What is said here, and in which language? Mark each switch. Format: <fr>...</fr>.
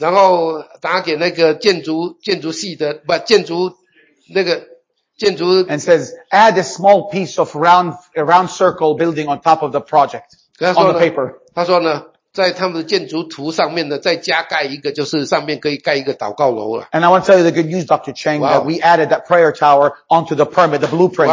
<zh>然后打给那个建筑系的，不，建筑那个。建筑,</zh> <en>and says, add a small piece of round circle building on top of the project,</en> <zh>他说呢,</zh> <en>on the paper.</en> <zh>他说呢, 在他们的建筑图上面呢,再加盖一个,就是上面可以盖一个祷告楼了。</zh> <en>And I want to tell you the good news, Dr. Chang, wow. that we added that prayer tower onto the permit, the blueprint.</en>